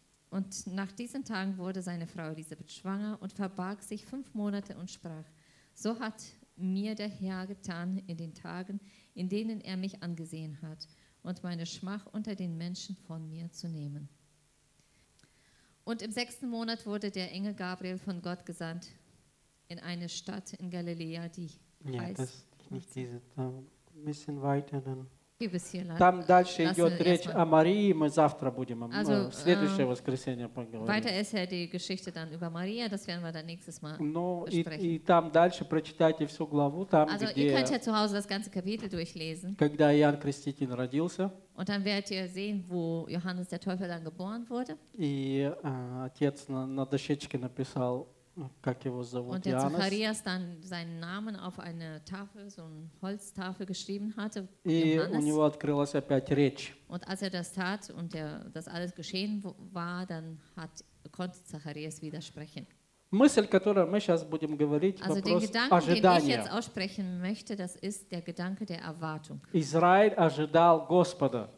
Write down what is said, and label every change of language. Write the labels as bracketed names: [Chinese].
[German] Und nach diesen Tagen wurde seine Frau Elisabeth schwanger und verbarg sich 5 Monate und sprach, so hat mir der Herr getan in den Tagen, in denen er mich angesehen hat, und meine Schmach unter den Menschen von mir zu nehmen. Und im 6. Monat wurde der Engel Gabriel von Gott gesandt in eine Stadt in Galiläa, die heißt... Ja, das ist nicht diese, da ein bisschen weiter dann... [Russian] Там дальше идет речь о Марии, мы завтра будем, в следующее воскресенье поговорим. [German] Weiter ist ja die Geschichte dann über Maria, das werden wir dann nächstes Mal besprechen. [Russian] И там дальше прочитайте всю главу, там, [German] also, Also ihr könnt ja zu Hause das ganze Kapitel durchlesen. [Russian] Когда Иоанн Креститель родился. [German] Und dann werdet ihr sehen, wo Johannes der Täufer dann geboren wurde. [Russian] И отец на дощечке написал, как его зовут, [German] Und der Zacharias dann seinen Namen auf eine Tafel, so eine Holztafel geschrieben hatte, [Russian] у него открылась опять речь. [German] Und als er das tat und das alles geschehen war, dann konnte Zacharias wieder sprechen. [Russian] Мысль, которую мы сейчас будем говорить, [German] also [Russian] вопрос [German] den Gedanken, [Russian] ожидания. [German] Den ich jetzt aussprechen möchte, das ist der Gedanke der Erwartung. [Russian] Israel ожидал Господа.